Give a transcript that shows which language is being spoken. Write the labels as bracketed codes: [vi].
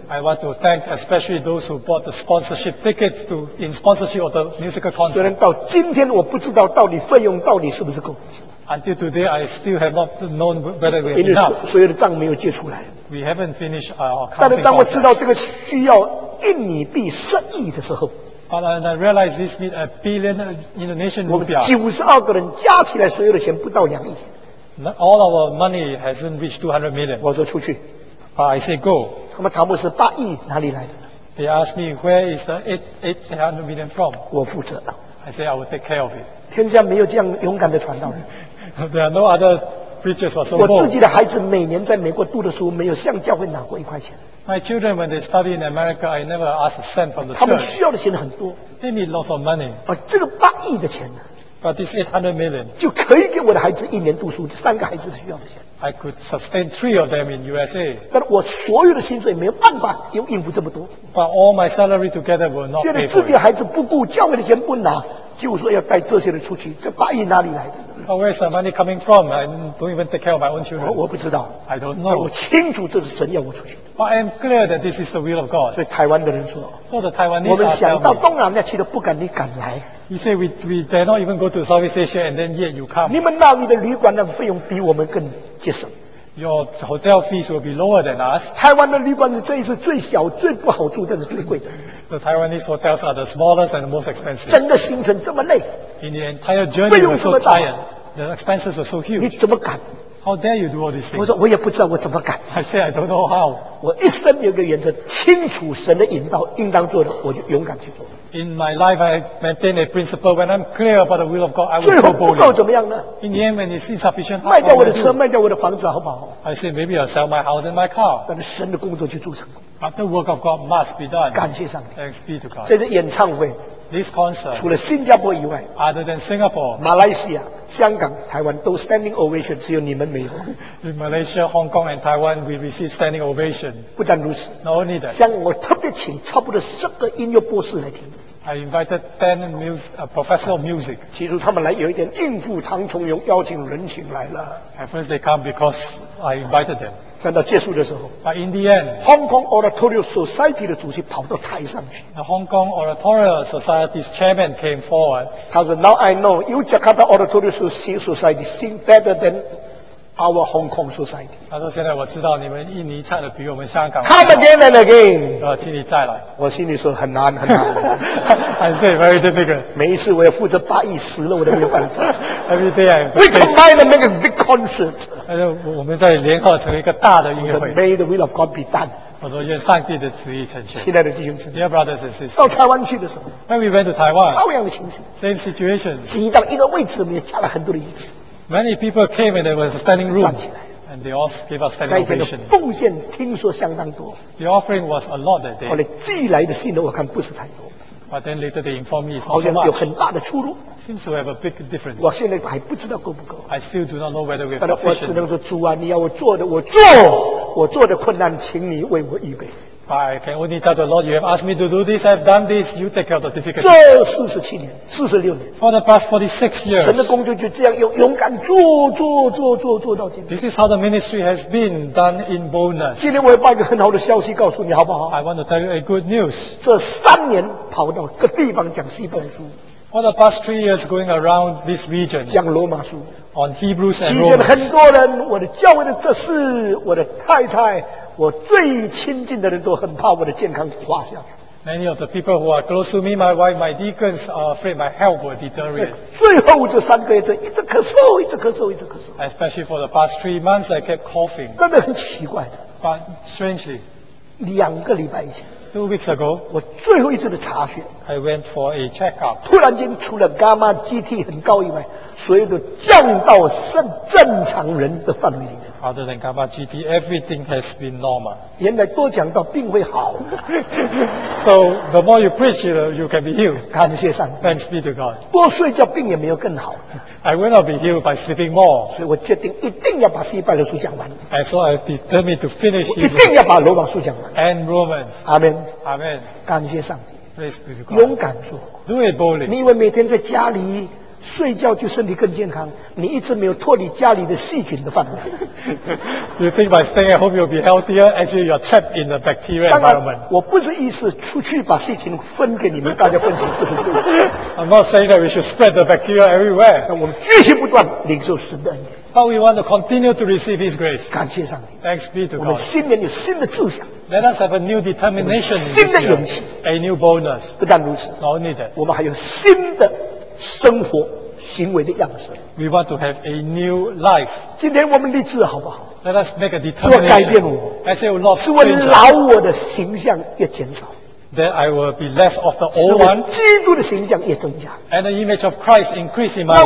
[en] I want to thank especially those who bought the sponsorship tickets to in sponsorship of the musical concert. [zh] 虽然到今天我不知道到底费用到底是不是够。 [en] Until today, I still have not known whether we have enough. [zh] 因为所有的账没有借出来。 [en] We haven't finished our accounting process. [zh] 但是当我知道这个需要印尼币十亿的时候 [en] ，But when I realize this need a billion Indonesian rupiah. [zh] 我们92个人加起来所有的钱不到2亿。 [en] All our money hasn't reached 200 million. [zh] 我说出去。 [en] But I say go. [zh] 他们塔木斯八亿哪里来的 [en] ？They ask me where is the 800 million from. [zh] 我负责的。 [en] I say I will take care of it. [zh] 天下没有这样勇敢的传道人。 [en] There are no other preachers or so forth. [zh] 我自己的孩子每年在美国读的书，没有向教会拿过一块钱。 [en] My children, when they study in America, I never ask a cent from the church. [zh] 他们需要的钱很多。 [en] They need lots of money. [zh] 把这个八亿的钱呢 [en] ？But this 800 million [zh] 就可以给我的孩子一年读书，三个孩子需要的钱。 [en] I could sustain three of them in USA. [zh] 但我所有的薪水没有办法又应付这么多。 [en] But all my salary together will not pay for it. [zh] 现在自己的孩子不顾教会的钱不拿。就说要带这些人出去，这八亿哪里来的 [en] ？Where is the money coming from? I don't even take care of my own children. [zh] 我不知道 [en] ，I don't know. [zh] 我清楚这是神要我出去。 [en] But I am clear that this is the will of God. [zh] 所以台湾的人说 [en] ，So the Taiwanese [zh] 我们想到东南亚去都不敢，你敢来 [en] ？You say we dare not even go to Southeast Asia, and then yet you come. [zh] 你们那里的旅馆的费用比我们更节省。 [en] Your hotel fees will be lower than us. [zh] 台湾的旅馆是这一次最小、最不好住，但是最贵的。 [en] The Taiwanese hotels are the smallest and the most expensive. [zh] 整个行程这么累。 [en] In the entire journey, we're so tired. the expenses were so huge. [zh] 你怎么敢？ [en] How dare you do all these things? [zh] 我说我也不知道我怎么敢。 [en] I say I don't know how. [zh] 我一生有一个原则，清楚神的引导，应当做的，我就勇敢去做。 [en] In my life, I maintain a principle. When I'm clear about the will of God, I will go boldly. [zh] 最后不够怎么样呢 [en] ？In the end, when it's insufficient, [zh] 卖掉我的车，卖掉我的房子，好不好 [en] ？I say maybe I'll sell my house and my car. [zh] 但是神的工作就做成功。 [en] But the work of God must be done. [zh] 感谢上帝。 [en] Thanks be to God. [zh] 这是演唱会。 [en] This concert, [zh] 除了新加坡以外 [en] other than Singapore, [zh] 马来西亚、香港、台湾都 [en] standing ovation, [zh] 只有你们没有。 [en] In Malaysia, Hong Kong and Taiwan, we receive standing ovation. [zh] 不但如此 [en] Not only that, [zh] 香港我特别请差不多十个音乐博士来听。 [en] I invited 10 professors of music. [zh] 起初他们来有一点应付唐崇荣邀请人情来了。 [en] At first they come because I invited them. [zh] 但到结束的时候 [en] But in the end, [zh] Hong Kong Oratorio Society 的主席跑到台上去。 [en] The Hong Kong Oratorio Society's chairman came forward. [zh] 他说 [en] Now I know, you Jakarta Oratorio Society sing better than our Hong Kong Society. [zh] 他说现在我知道你们印尼唱的比我们香港 [en] Come again and again. [zh] 请你再来。我心里说很难很难。 [en] I say very difficult. [zh] 每一次我要负责八亿死了我都没有办法。 [en] Every day I'm We combine and make a big concert. [zh] 他说我们在联合成一个大的音乐会。 [en] May the will of God be done. [zh] 我说愿上帝的旨意成全。亲爱的弟兄姊妹 [en] Dear brothers and sisters. [zh] 到台湾去的时候 [en] When we went to Taiwan. [zh] 超样的情形 [en] Same situation. [zh] 挤到一个位置里面加了很多的椅子。 [en] Many people came and there was a standing room, and they all gave us standing ovation. [zh] 那边的奉献听说相当多。 [en] The offering was a lot that day. [zh] 后来寄来的信呢，我看不是太多。 [en] But then later they informed me it's not so much. [zh] 好像有很大的出入。 [en] Seems to have a big difference. [zh] 我现在还不知道够不够。 [en] I still do not know whether we have sufficient. [zh] 但是我只能说，主啊，你要我做的，我做；我做的困难，请你为我预备。 [en] I can only tell the Lord, you have asked me to do this, I've done this, you take care of the difficulty. [zh] 这47年46年 [en] For the past 46 years, [zh] 神的工作就这样勇敢做到今天。 [en] This is how the ministry has been done in boldness. [zh] 今天我要把一个很好的消息告诉你好不好 [en] I want to tell you a good news. [zh] 这三年跑到各地方讲西本书 [en] For the past 3 years going around this region, [zh] 讲罗马书 [en] on Hebrews and Romans. [zh] 遇见很多人我的教会的这事我的太太我最亲近的人都很怕我的健康垮下去。 [en] Many of the people who are close to me, my wife, my deacons, are afraid my health will deteriorate. [zh] 最后这三个月，一直咳嗽。 [en] Especially for the past 3 months, I kept coughing. [zh] 真的很奇怪。 [en] But strangely, [zh] 两个礼拜以前 [en] ，2 weeks ago, [zh] 我最后一次的查询 [en] ，I went for a checkup. [zh] 突然间，除了 gamma GT 很高以外，所有的降到正常人的范围里面。 [en] Other than gamma GT, everything has been normal. [zh] 原来多讲到病会好。 [en] So the more you preach, you can be healed. [zh] 感谢上帝。 [en] Thanks be to God. [zh] 多睡觉病也没有更好。 [en] I will not be healed by sleeping more. [zh] 所以我决定一定要把西拜的书讲完。 [en] And so I determined to finish. [zh] 一定要把罗马书讲完。 [en] And Romans. Amen. Amen. [zh] 感谢上帝。 [en] Praise be to God. [zh] 勇敢做。 [en] Do it boldly. [zh] 你以为每天在家里？睡觉就身体更健康，你一直没有脱离家里的细菌的范围。 [en] You think by staying at home you'll be healthier? Actually, you're trapped in the bacteria environment. [zh] 我不是意思出去把细菌分给你们大家分享，不是这个意思。 [en] I'm not saying that we should spread the bacteria everywhere. [zh] 那我们继续不断领受神的恩典。 [en] But we want to continue to receive His grace. [zh] 感谢上帝。 [en] Thanks be to God. [zh] 我们新年有新的志向。 [en] Let us have a new determination. [zh] 新的勇气。 [en] A new boldness. [zh] 不但如此。 [en] Not only that. [zh] 我们还有新的。生活行为的样式。 [en] We want to have a new life. [zh] 今天我们立志好不好 [en] ？Let us make a determination. [zh] 改变我 [en] ，I say will not change. [zh] 使我老我的形象也减少。 [en] That I will be less of the old one. [zh] 基督的形象也增加。 [en] And the image of Christ increase in my life.